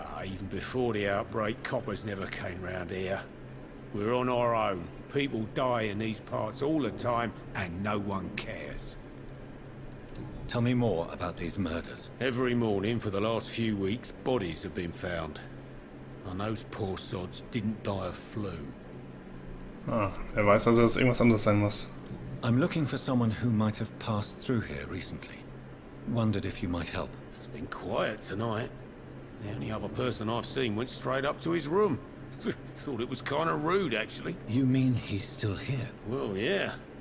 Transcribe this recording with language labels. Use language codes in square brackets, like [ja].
[en] Even before the outbreak, coppers never came round here. We're on our own. People die in these parts all the time, and no one cares. Tell me more about these murders. Every morning for the last few weeks, bodies have been found. And those poor sods didn't die of flu. [de] Ah, weiß also, dass irgendwas anderes sein muss. [en] I'm looking for someone who might have passed through here recently. wondered if you might help. It's been quiet tonight. The only other person I've seen went straight up to his room. Thought it was kind of rude, actually. You mean he's still here? Well, yeah.